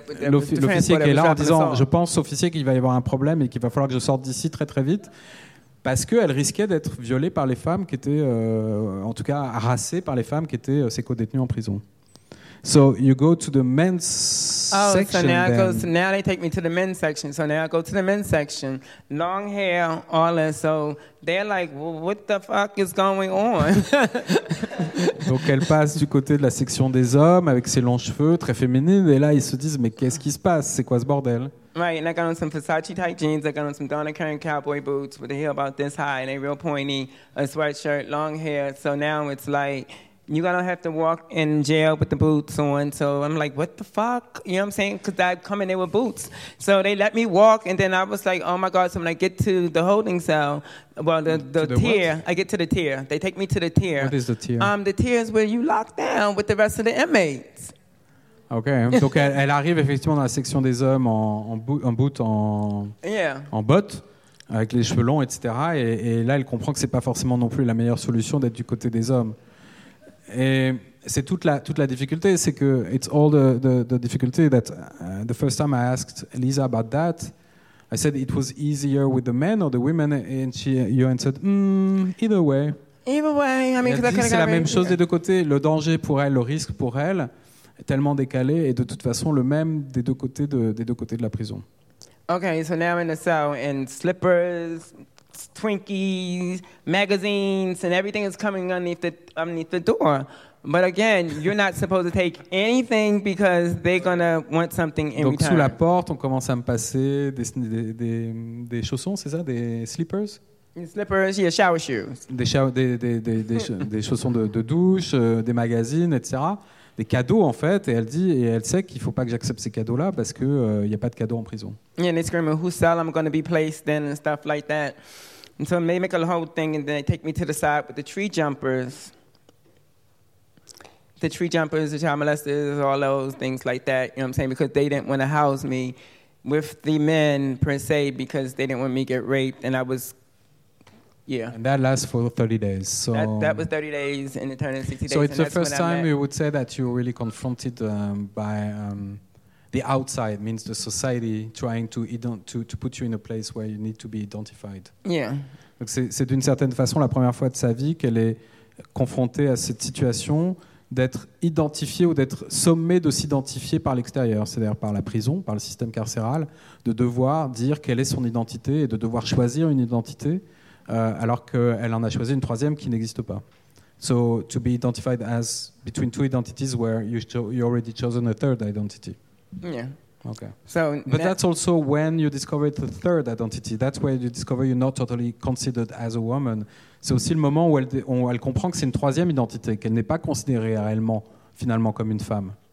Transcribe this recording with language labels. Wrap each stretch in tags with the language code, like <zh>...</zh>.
<fr>L'officier qui est là en disant, je pense officier qu'il va y avoir un problème et qu'il va falloir que je sorte d'ici très très vite. Parce qu'elle risquait d'être violée par les femmes qui étaient, en tout cas harassée par les femmes qui étaient ses co-détenues en prison.</fr> <en>So you go to the men's section. Oh, so now then. I go. So now they take me to the men's section. So now I go to the men's section. Long hair, all that. So they're like, well, "What the fuck is going on?"</en> <fr>Donc elle passe du côté de la section des hommes avec ses longs cheveux, très féminine. Et là, ils se disent, mais qu'est-ce qui se passe? C'est quoi ce bordel?</fr> <en>Right, and I got on some Versace tight jeans. I got on some Donna Karan cowboy boots with a heel about this high and a real pointy, a sweatshirt, long hair. So now it's like. You're going to have to walk in jail with the boots on. So I'm like, what the fuck? You know what I'm saying? Because I come in there with boots. So they let me walk. And then I was like, oh, my God. So when I get to the holding cell, well, I get to the tier. They take me to the tier. What is the tier? The tier is where you lock down with the rest of the inmates. Okay.</en> <fr>Donc elle arrive effectivement dans la section des hommes en bottes. Avec les cheveux longs, etc. Et là, elle comprend que ce n'est pas forcément non plus la meilleure solution d'être du côté des hommes. Et c'est toute la difficulté, c'est que</fr> <en>it's all the difficulty that the first time I asked Lisa about that, I said it was easier with the men or the women, and you answered either way. Either way, I mean,</en> <fr>c'est la même chose des deux côtés. Le danger pour elle, le risque pour elle, est tellement décalé et de toute façon le même des deux côtés de la prison.</fr> <en>Okay, so now I'm in the cell in slippers. Twinkies, magazines, and everything is coming underneath the door. But again, you're not supposed to take anything because they're gonna want something in</en> <fr>Donc</fr> <en>return.</en> <fr>Sous la porte, on commence à me passer des chaussons, c'est ça, des slippers?</fr> <en>Slippers, yeah, shower shoes.</en> <fr>Des chaussons de douche, des magazines, etc. Des cadeaux en fait, et elle dit et elle sait qu'il faut pas que j'accepte ces cadeaux là parce que y a pas de cadeaux en prison.</fr> <en>Yeah, and they scream, "Who's cell I'm going to be placed in?" and stuff like that. And so they make a whole thing, and then they take me to the side with the tree jumpers. The tree jumpers, the child molesters, all those things like that. You know what I'm saying? Because they didn't want to house me with the men per se because they didn't want me to get raped, and I was. Yeah. And that lasts for 30 days. So that was 30 days, and it turned into 60 days. So it's the first time you would say that you were really confronted by the outside, means the society trying to put you in a place where you need to be identified. Yeah.</en> <fr>Donc c'est d'une certaine façon la première fois de sa vie qu'elle est confrontée à cette situation d'être identifiée ou d'être sommée de s'identifier par l'extérieur, c'est-à-dire par la prison, par le système carcéral, de devoir dire quelle est son identité et de devoir choisir une identité. Alors qu'elle en a choisi une troisième qui n'existe pas.</fr> <en>So to be identified as between two identities where you already chosen a third identity. Yeah. Okay. So, but that's also when you discovered the third identity. That's where you discover you're not totally considered as a woman.</en> <fr>C'est aussi le moment où elle comprend que c'est une troisième identité, qu'elle n'est pas considérée réellement finalement comme une femme.</fr>